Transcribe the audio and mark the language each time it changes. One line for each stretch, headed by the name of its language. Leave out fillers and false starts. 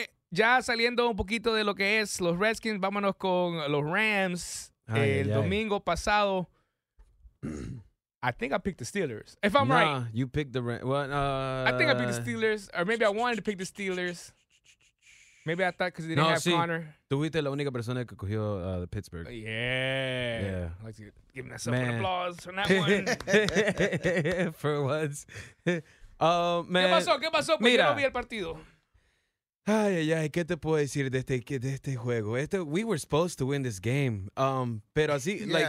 Spanish: Ya saliendo un poquito de lo que es los Redskins, vámonos con los Rams. Domingo pasado,
English: I think I picked the Steelers. If I'm right. You picked the Rams. Well, I think I picked the Steelers, or maybe I wanted to pick the Steelers. Maybe I thought because they didn't have Connor.
Spanish: Tuviste la única persona que cogió the Pittsburgh.
English: Yeah. Give myself an applause for that one. For once. Man.
Spanish: ¿Qué pasó? Pues yo no vi el partido. Ay, ay, ay, ¿qué te puedo decir de este juego?
English: We were supposed to win this game,
Spanish: pero así,
English: yeah.